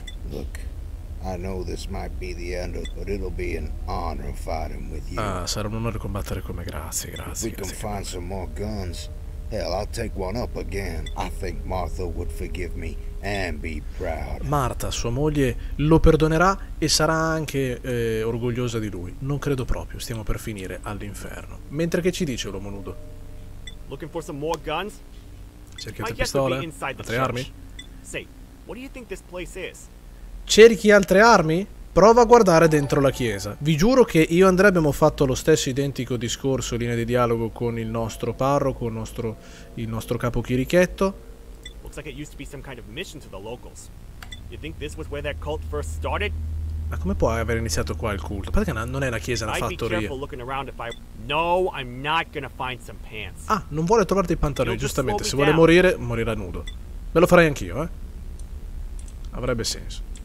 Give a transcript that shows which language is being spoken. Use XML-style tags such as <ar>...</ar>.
<en>Look, I know this might be the end, but it'll be an honor fighting with you.</en> <it>Ah, sarà un onore combattere con me, grazie, grazie.</it> <en>If we can find some more guns, hell, I'll take one up again. I think Martha would forgive me and be proud.</en> <it>Martha, sua moglie, lo perdonerà e sarà anche orgogliosa di lui. Non credo proprio, stiamo per finire all'inferno. Mentre che ci dice l'uomo nudo?</it> <en>Looking for some more guns?</en> <it>Cerchi altre pistole? Altre armi?</it> <en>Say, what do you think this place is?</en> <it>Cerchi altre armi? Prova a guardare dentro la chiesa. Vi giuro che io e Andrea abbiamo fatto lo stesso identico discorso, linea di dialogo, con il nostro parroco, il nostro capo chirichetto.</it> <en>Looks like it used to be some kind of mission to the locals. You think this was where that cult first started?</en> <it>Ma come può aver iniziato qua il culto? Perché non è una chiesa, è una fattoria.</it> <en>No, I'm not gonna find some pants.</en> <it>Ah, non vuole trovarti i pantaloni, giustamente. Se vuole morire, morirà nudo. Me lo farei anch'io, eh? Avrebbe senso.</it>